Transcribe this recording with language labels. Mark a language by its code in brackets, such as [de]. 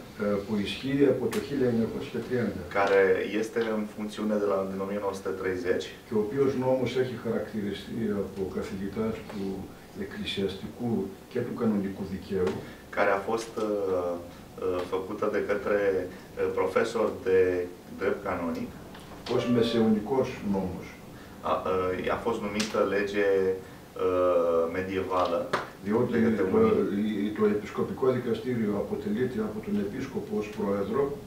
[el] cu ischie από το 1930, care este în funcțiune de la 1930, και ο οποίος νόμος έχει χαρακτηριστεί από καθηγητάς του εκκλησιαστικού και του κανονικού δικαίου, [ro] care a fost făcută de către profesor de drept canonic, [el] ως μεσαιωνικός νόμος. [ro] A fost numită lege medievală. [el] Διότι το επισκοπικό δικαστήριο αποτελείται από τον επίσκοπο ως πρόεδρο.